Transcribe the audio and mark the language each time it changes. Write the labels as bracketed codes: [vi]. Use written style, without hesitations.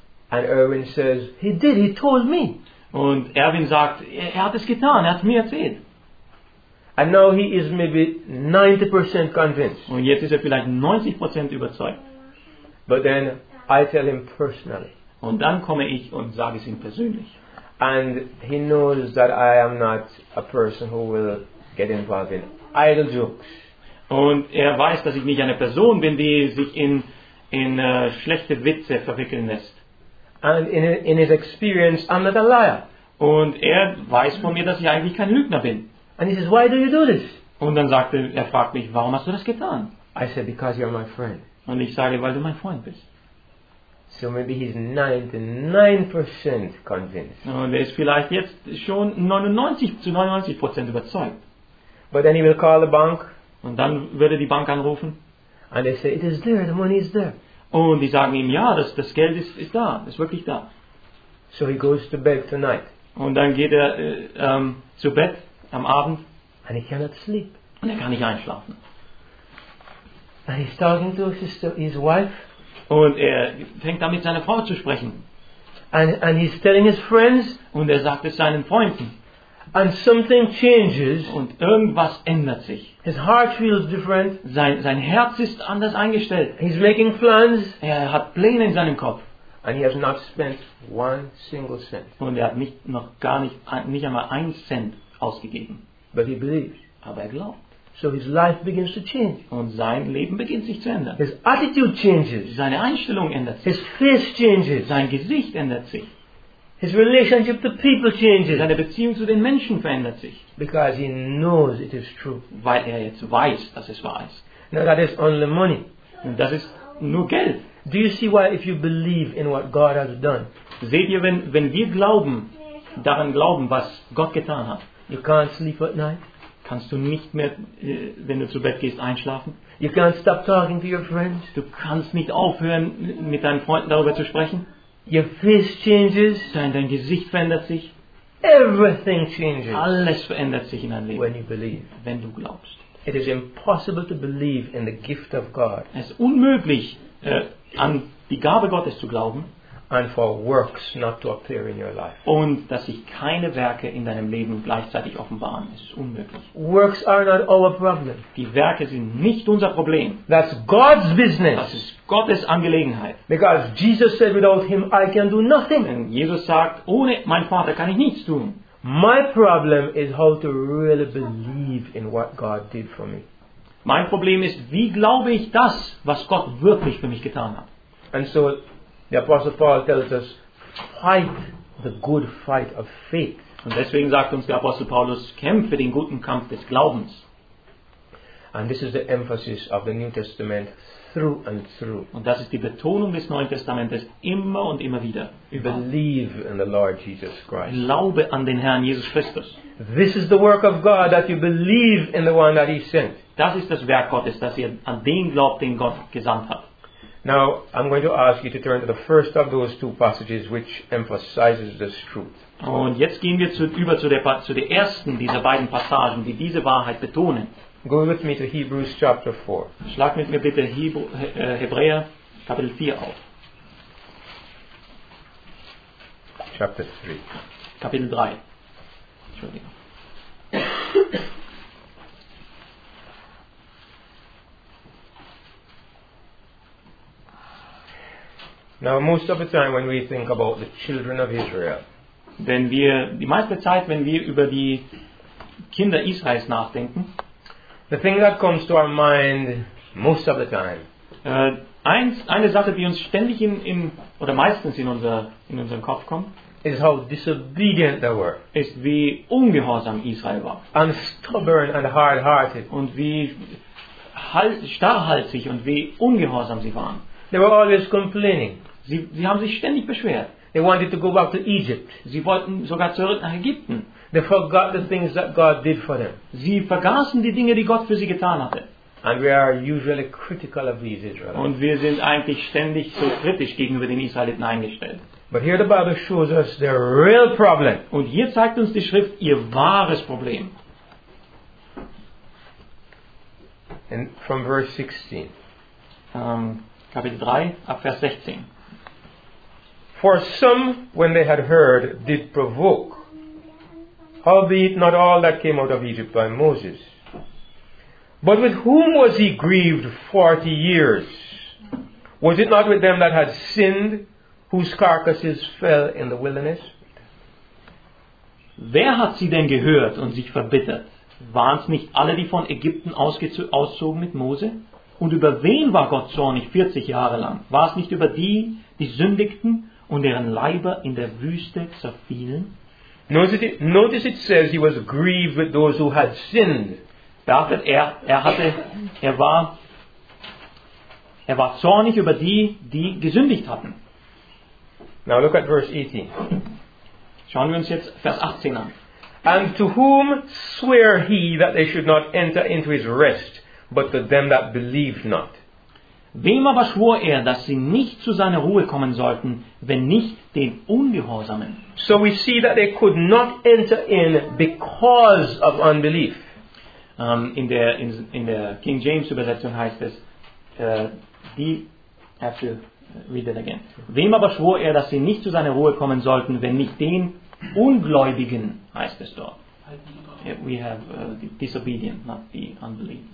[en] And Erwin says, he did, he told me. [de] Und Erwin sagt, er hat es getan, er hat mir erzählt. [en] And now he is maybe 90% convinced. [de] Und jetzt ist er vielleicht 90% überzeugt. [en] But then I tell him personally. [de] Und dann komme ich und sage es ihm persönlich. [en] And he knows that I am not a person who will get involved in idle jokes. [de] Und er weiß, dass ich nicht eine Person bin, die sich in schlechte Witze verwickeln lässt. [en] And in his experience, I'm not a liar. [de] Und er weiß von mir, dass ich eigentlich kein Lügner bin. [en] And he says, why do you do this? [de] Und dann fragt mich, warum hast du das getan? [en] I said, because you're my friend. [de] Und ich sage, weil du mein Freund bist. [en] So maybe he's 99% convinced. [de] Und er ist vielleicht jetzt schon 99% überzeugt. [en] But then he will call the bank. [de] Und dann würde die Bank anrufen. [en] And they say, it is there, the money is there. [de] Und die sagen ihm, ja, das Geld ist da, ist wirklich da. [en] So he goes to bed tonight. [de] Und dann geht er zu Bett am Abend. [en] And he cannot sleep. [de] Und er kann nicht einschlafen. [en] And he's talking to his wife. [de] Und er fängt damit seine Frau zu sprechen. [en] And he's telling his friends. [de] Und er sagt es seinen Freunden. [en] And something changes. [de] Und irgendwas ändert sich. [en] His heart feels different. [de] Sein Herz ist anders eingestellt. [en] He's making plans. [de] Er hat Pläne in seinem Kopf. [en] And he has not spent one single cent. [de] Und er hat nicht einmal einen Cent ausgegeben. [en] But he believes. [de] Aber er glaubt. [en] So his life begins to change. [de] Und sein Leben beginnt sich zu ändern. [en] His attitude changes. [de] Seine Einstellung ändert sich. [en] His face changes. [de] Sein Gesicht ändert sich. [en] His relationship to people changes. [de] Seine Beziehung zu den Menschen verändert sich. [en] Because he knows it is true. [de] Weil er jetzt weiß, dass es wahr ist. [en] Now that is only money. [de] Und das ist nur Geld. [en] Do you see why if you believe in what God has done? [de] Seht ihr, wenn wir glauben, daran glauben, was Gott getan hat. [en] You can't sleep at night. [de] Kannst du nicht mehr, wenn du zu Bett gehst, einschlafen? [en] You can't stop talking to your friends. [de] Du kannst nicht aufhören, mit deinen Freunden darüber zu sprechen. [en] Your face changes. [de] Dein Gesicht verändert sich. [en] Everything changes. [de] Alles verändert sich in deinem Leben. [en] When you believe. [de] Wenn du glaubst. [en] It is impossible to believe in the gift of God. [de] Es ist unmöglich, an die Gabe Gottes zu glauben. [en] And for works not to appear in your life. [de] Und dass sich keine Werke in deinem Leben gleichzeitig offenbaren, es ist unmöglich. [en] Works are not our problem. [de] Die Werke sind nicht unser Problem. [en] That's God's business. [de] Das ist Gottes Angelegenheit. [en] Because Jesus said, without him I can do nothing. [de] Und Jesus sagt, ohne meinen Vater kann ich nichts tun. [en] My problem is how to really believe in what God did for me. [de] Mein Problem ist, wie glaube ich das, was Gott wirklich für mich getan hat? [en] And so the Apostle Paul tells us, fight the good fight of faith. [de] Und deswegen sagt uns der Apostel Paulus, kämpfe den guten Kampf des Glaubens. [en] And this is the emphasis of the New Testament through and through. [de] Und das ist die Betonung des Neuen Testamentes immer und immer wieder. [en] Believe in the Lord Jesus Christ. [de] Glaube an den Herrn Jesus Christus. [en] This is the work of God, that you believe in the one that he sent. [de] Das ist das Werk Gottes, dass ihr an den glaubt, den Gott gesandt hat. [en] Now, I'm going to ask you to turn to the first of those two passages which emphasizes this truth. [de] Und jetzt gehen wir über zu der ersten dieser beiden Passagen, die diese Wahrheit betonen. [en] Go with me to Hebrews chapter 4. [de] Schlag mit mir bitte Hebräer Kapitel 4 auf. [en] Chapter 3. [de] Kapitel 3. Entschuldigung. [en] Now, most of the time when we think about the children of Israel, [de] wenn wir die meiste Zeit, wenn wir über die Kinder Israels nachdenken, [en] the thing that comes to our mind most of the time, [de] eine Sache, die uns ständig meistens in unseren Kopf kommt, [en] is how disobedient they were, [de] ist wie ungehorsam Israel war, [en] and stubborn and hard-hearted, [de] und wie starrhaltig und wie ungehorsam sie waren. [en] They were always complaining. [de] Sie haben sich ständig beschwert. [en] They wanted to go back to Egypt. [de] Sie wollten sogar zurück nach Ägypten. [en] They forgot the things that God did for them. [de] Sie vergaßen die Dinge, die Gott für sie getan hatte. [en] And we are usually critical of these Israelites. [de] Und wir sind eigentlich ständig so kritisch gegenüber den Israeliten eingestellt. [en] But here the Bible shows us their real problem. [de] Und hier zeigt uns die Schrift ihr wahres Problem. [en] And from verse 16. [de] Kapitel 3, ab Vers 16. [en] For some, when they had heard, did provoke, albeit not all that came out of Egypt by Moses. But with whom was he grieved 40 years? Was it not with them that had sinned, whose carcasses fell in the wilderness? [de] Wer hat sie denn gehört und sich verbittert? Waren es nicht alle, die von Ägypten auszogen mit Mose? Und über wen war Gott zornig 40 Jahre lang? War es nicht über die, die sündigten und deren Leiber in der Wüste zerfielen? [en] Notice it says he was grieved with those who had sinned. [de] Beachtet, er war zornig über die, die gesündigt hatten. [en] Now look at verse 18. [de] Schauen wir uns jetzt Vers 18 an. [en] And to whom swear he that they should not enter into his rest, but to them that believed not? [de] Wem aber schwor er, dass sie nicht zu seiner Ruhe kommen sollten, wenn nicht den Ungehorsamen? [en] So we see that they could not enter in because of unbelief. [de] In der King James Übersetzung heißt es, die [en] have to read it again. [de] Wem aber schwor er, dass sie nicht zu seiner Ruhe kommen sollten, wenn nicht den Ungläubigen, heißt es dort. [en] We have disobedient, not the unbelief.